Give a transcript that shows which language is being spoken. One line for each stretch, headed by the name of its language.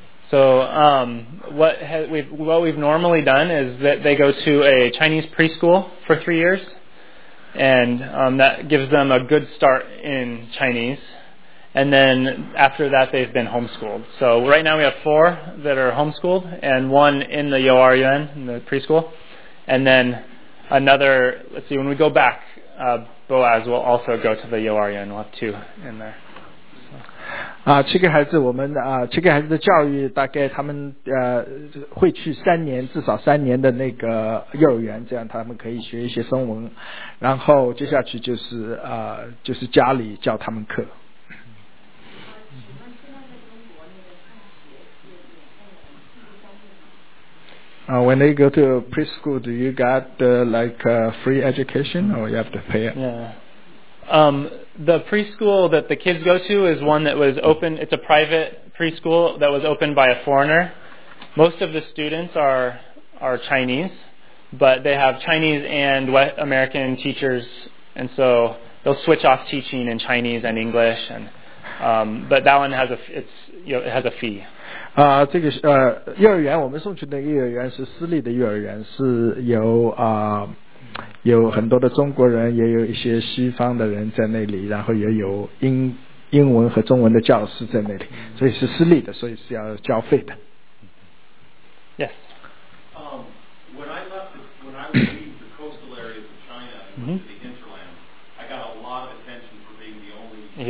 English: So what we've normally done is that they go to a Chinese preschool for 3 years, and that gives them a good start in Chinese, and then after that they've been homeschooled. So right now we have 4 that are homeschooled and 1 in the Youyuan, in the preschool, and then another, let's see, when we go back, Boaz will also go to the Youyuan. We'll have 2 in there.
Chinese: 七个孩子的教育大概他们会去3年，至少3年的那个幼儿园，这样他们可以学一些中文，然后接下去就是家里教他们课。
English: When they go to preschool, do you got free education or you have to pay it? Yeah. The preschool that the kids go to is one that was open. It's a private preschool that was opened by a foreigner. Most of the students are Chinese, but they have Chinese and West American teachers, and so they'll switch off teaching in Chinese and English. And, but that one it has a fee.
Chinese: 这个幼儿园，我们送去的幼儿园是私立的幼儿园，是由有很多的中国人，也有一些西方的人在那里，然后也有英文和中文的教师在那里，所以是私立的，所以是要交费的。
English: Yes. When I leave the coastal areas of China and went to the hinterland, I got a lot of attention for being the only person.